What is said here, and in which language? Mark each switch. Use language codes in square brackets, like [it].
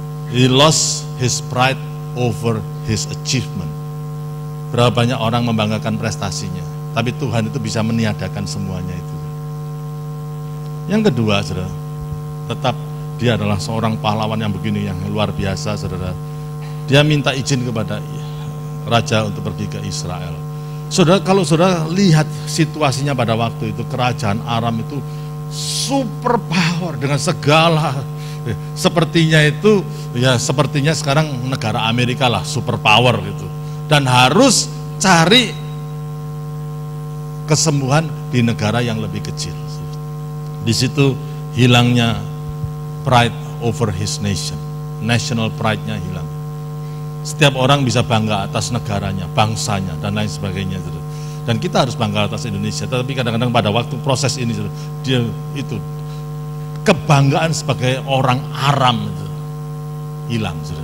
[en] He lost his pride over his achievement. [id] Berapa banyak orang membanggakan prestasinya, tapi Tuhan itu bisa meniadakan semuanya itu. Yang kedua, saudara, tetap dia adalah seorang pahlawan yang begini, yang luar biasa, saudara. Dia minta izin kepada raja untuk pergi ke Israel. Saudara, kalau saudara lihat situasinya pada waktu itu, kerajaan Aram itu super power dengan segala, sepertinya itu, ya sepertinya sekarang negara Amerika lah super power gitu. Dan harus cari kesembuhan di negara yang lebih kecil. Di situ hilangnya [en] pride over his nation. [id] National pride-nya hilang. Setiap orang bisa bangga atas negaranya, bangsanya, dan lain sebagainya. Dan kita harus bangga atas Indonesia. Tetapi kadang-kadang pada waktu proses ini, dia itu kebanggaan sebagai orang Aram itu hilang.